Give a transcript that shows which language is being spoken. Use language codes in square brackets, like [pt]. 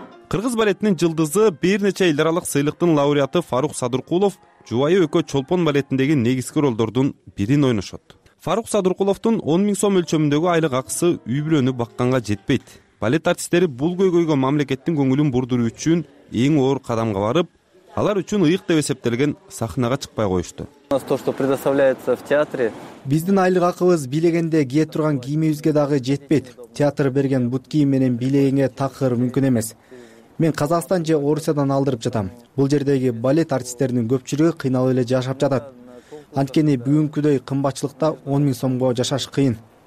[ky] Кыргыз балетинин жылдызы, бир нече эл аралык сыйлыктын лауреаты Фарук Садыркулов жубайы өкө Чолпон балетиндеги негизги ролдордун бирин ойношот. Фарук Садыркуловдун 10,000 сом өлчөмүндөгү айлык акысы үй бүлөнү бакканга жетпейт. Балет артисттери бул көйгөйгө мамлекеттин көңүлүн бурдуруу үчүн эң оор кадамга барып, алар үчүн ыйык деп эсептелген сахнага чыкпай коюшту. [ru] То, что предоставляется в театре. [ky] Биздин айлык акыбыз билегенде кие турган кийимибизге дагы жетпейт. Театр берген бут кийим менен билегенге такыр мүмкүн эмес. Мен Казакстан же Орусиядан алдырып жатам. Бул жердеги балет артисттеринин көпчүлүгү кыйналып эле жашап жатат. Анткени бүгүнкүдөй кымбатчылыкта 10,000 сомго жашаш кыйын.